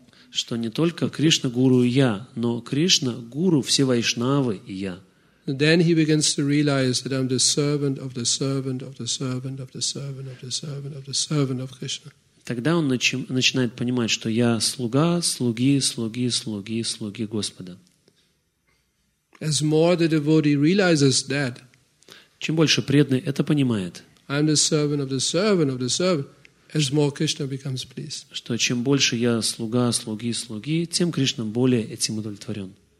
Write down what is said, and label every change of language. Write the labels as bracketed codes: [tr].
[ru] Что не только Кришна, Гуру и я, но Кришна, Гуру, все вайшнавы и я. [en] Then he begins to realize that I'm the servant of the servant of the servant of the servant of the servant of the servant of Krishna. [ru] Тогда он начинает понимать, что я слуга, слуги, слуги, слуги, слуги Господа. [en] As more the devotee realizes that, [ru] чем больше преданный это понимает, что чем больше я слуга, слуги, слуги, тем Кришна более этим удовлетворен.